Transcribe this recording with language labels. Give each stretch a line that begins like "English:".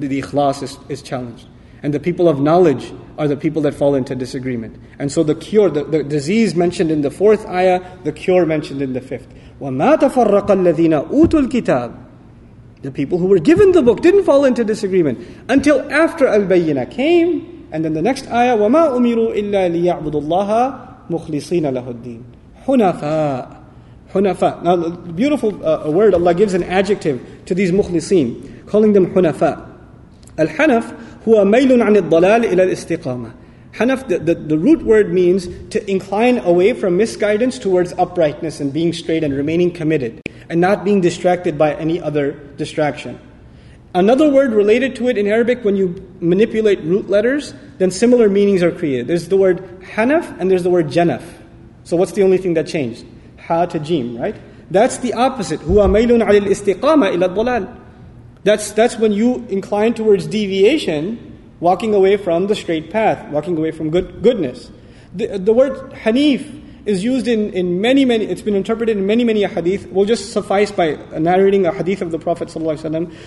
English: The ikhlas is challenged. And the people of knowledge are the people that fall into disagreement. And so the cure, the disease mentioned in the fourth ayah, the cure mentioned in the fifth.
Arabic: وَمَا تَفَرَّقَ الَّذِينَ أُوتُوا الْكِتَابِ.
English: The people who were given the book didn't fall into disagreement until after Al-Bayyinah came. And then the next ayah,
Arabic: وَمَا أُمِرُوا إِلَّا لِيَعْبُدُ اللَّهَ مُخْلِصِينَ لَهُ الدِّينَ. حُنَفَاء. حُنَفَاء.
English: Now, beautiful word, Allah gives an adjective to these مُخْلِصِين, calling them حُنَفَاء.
Arabic: Al-Hanaf, هو ميل عن الضلال إلى الاستقامة.
English: Hanaf, the root word means to incline away from misguidance towards uprightness and being straight and remaining committed and not being distracted by any other distraction. Another word related to it in Arabic, when you manipulate root letters, then similar meanings are created. There's the word hanaf and there's the word janaf. So what's the only thing that changed? Ha to jim, right? That's the opposite.
Arabic: هو ميل عن الاستقامة إلى الضلال.
English: That's when you incline towards deviation, walking away from the straight path, walking away from goodness. The word hanif is used in many, it's been interpreted in many a hadith. We'll just suffice by narrating a hadith of the Prophet ﷺ.